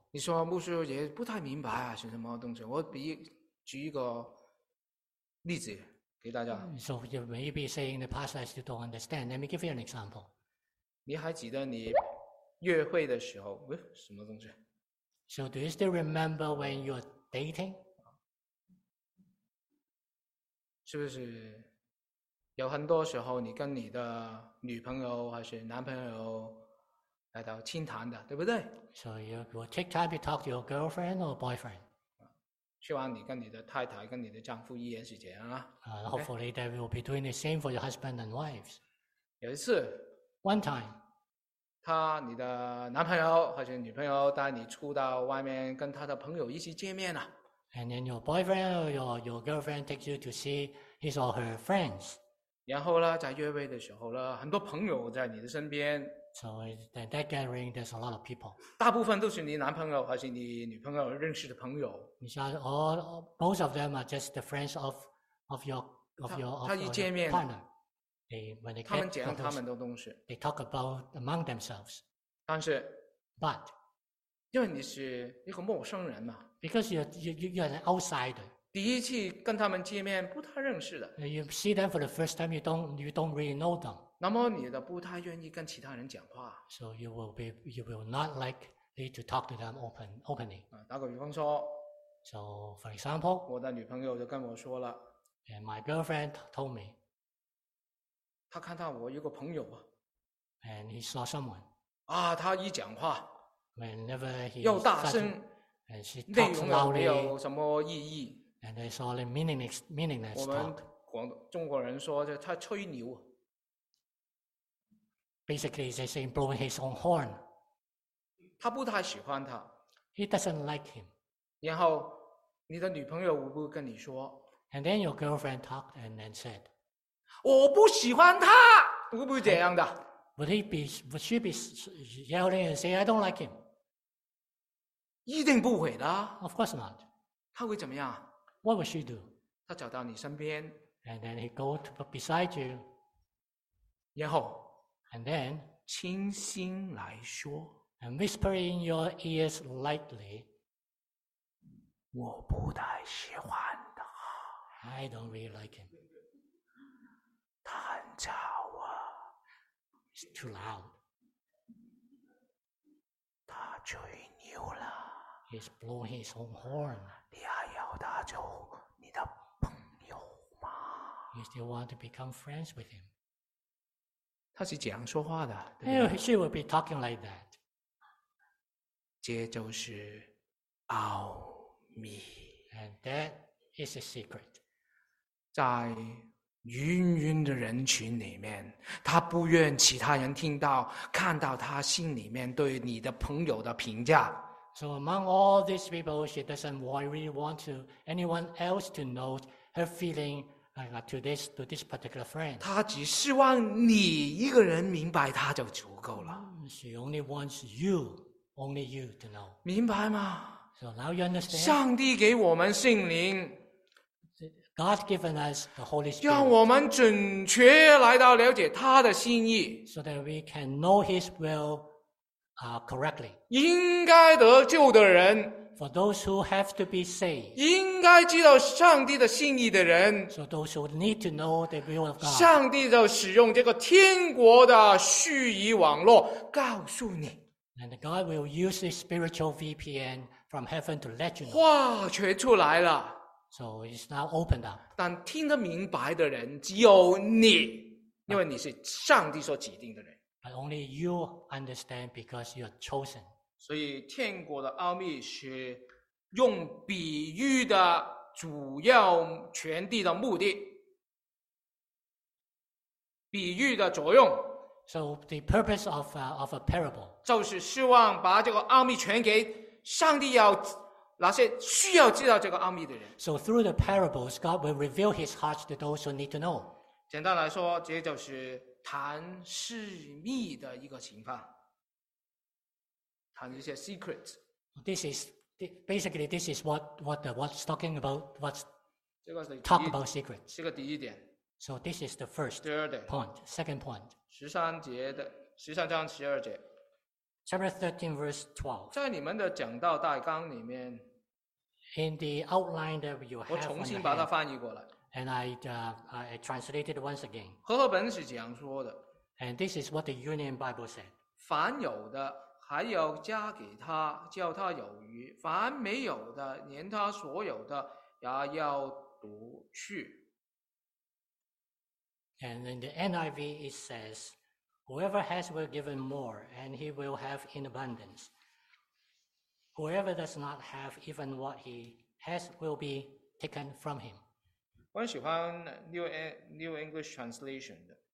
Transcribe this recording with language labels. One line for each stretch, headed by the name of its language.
Chinese: 你说牧师也不太明白啊，是什么东西？我举一个例子给大家。
English: So you may be saying the pastor still don't understand. Let me give you an example.
Chinese: 你还记得你？约会的时候，喂，什么东西
English: ？So do you still remember when you're dating？
Chinese: 是不是有很多时候你跟你的女朋友还是男朋友来到清谈的，对不对
English: ？So you will take time to talk to your girlfriend or boyfriend。
Chinese: 希望你跟你的太太、跟你的丈夫也是这样啊。
English: Hopefully they will be doing the same for your husband and wives。
Chinese: 有一次
English: ，One time。
Chinese: 他你的男朋友或者女朋友带你出到外面跟他的朋友一起见面了。
English: And then your boyfriend or your girlfriend takes you to see his or her friends.
Chinese: 然后呢在约会的时候呢很多朋友在你的身边。
English: So in that gathering, there's a lot of people.
Chinese: 大部分都是你男朋友或者你女朋友认识的朋友。你像
English: most of them are just the friends of your partner.
Chinese: 他们讲他们的东西
English: ，They talk about among themselves.
Chinese: 但是
English: ，But，
Chinese: 因为你是一个陌生人嘛
English: ，Because you're an outsider.
Chinese: 第一次跟他们见面，不太认识的。
English: You see them for the first time. You don't really know them.
Chinese: 那么你的不太愿意跟其他人讲话。
English: So you will not likely to talk to them openly.
Chinese: 打个比方说
English: ，So for example，
Chinese: 我的女朋友就跟我说了
English: ，And my girlfriend told me.
Chinese: 他看到我有个朋友啊
English: ，and he saw someone.
Chinese: 啊，他一讲话
English: ，whenever he
Chinese: 又大声
English: ，and she talks loudly.
Chinese: 内容没有什么意义
English: ，and it's all a meaningless talk.
Chinese: 我们中国人说就他吹牛。
English: Basically, they say blowing his own horn.
Chinese: 他不太喜欢他
English: ，he doesn't like him.
Chinese: 然后你的女朋友会不会跟你说
English: ？And then your girlfriend talked and then said.
Chinese: 我不喜欢他，会不会这样的
English: Would she be yelling and say I don't like him?
Chinese: 一定不会的。
English: Of course not.
Chinese: 他会怎么样
English: ？What would she do?
Chinese: 他走到你身边
English: ，and then he go to beside you.
Chinese: 然后
English: ，and then
Chinese: 轻心来说
English: ，and whisper in your ears lightly.
Chinese: 我不太喜欢他。
English: I don't really like him.
Chinese: 很吵啊
English: ！It's too loud.
Chinese: 他吹牛了。
English: He's blowing his own horn.
Chinese: 你还要他做你的朋友吗
English: ？You still want to become friends with him?
Chinese: 他是这样说话的。
English: Yeah, she will be talking like that.
Chinese: 这就是奥秘。
English: And that is a secret.
Chinese: 在芸芸的人群里面，他不愿其他人听到、看到他心里面对你的朋友的评价。
English: So among all these people, she doesn't really want to anyone else to know her feeling to this particular friend.
Chinese: 他只希望你一个人明白他就足够了。
English: She only wants you, only you to know.
Chinese: 明白吗
English: ？So now you understand.
Chinese: 上帝给我们圣灵。
English: God given us the Holy Spirit,
Chinese: 让我们准确来到了解他的心意
English: ，so that we can know His will, correctly.
Chinese: 应该得救的人
English: ，for those who have to be saved.
Chinese: 应该知道上帝的心意的人
English: ，so those who need to know the will of God.
Chinese: 上帝就使用这个天国的虚拟网络告诉你
English: ，and God will use this spiritual VPN from heaven to let you know.
Chinese: 话却出来了。
English: So it's now opened up.
Chinese: 但听得明白的人只有你。因为你是上帝所指定的人。
English: But only you understand because you're chosen.
Chinese: 所以天国的奥秘是用比喻的主要传递的目的。比喻的作用。
English: So the purpose of a parable.
Chinese: 就是希望把这个奥秘传给上帝要那些需要知道这个奥秘的人。
English: So through the parables, God will reveal his heart to those who need to know.
Chinese: 简单来说，这就是谈私密的一个情况，谈一些 secret。
English: This is basically this is what's talking about, what's talk about secret.
Chinese: 这个第一点。
English: So this is the first point, second point.
Chinese: 十三节的十三章十二节。
English: Chapter 13, verse 12.
Chinese: 在你们的讲道大纲里面。
English: In the outline that you have.
Chinese: 我重新把它翻译过来。
English: And I translated once again.
Chinese: 和合本是这样说的。
English: And this is what the Union Bible said.
Chinese: 凡有的还要加给他，叫他有余；凡没有的，连他所有的也要夺去。
English: And in the NIV it says, whoever has will given more, and he will have in abundance. Whoever does not have even what he has will be taken from him.
Chinese: 我很喜欢 New English Translation 的。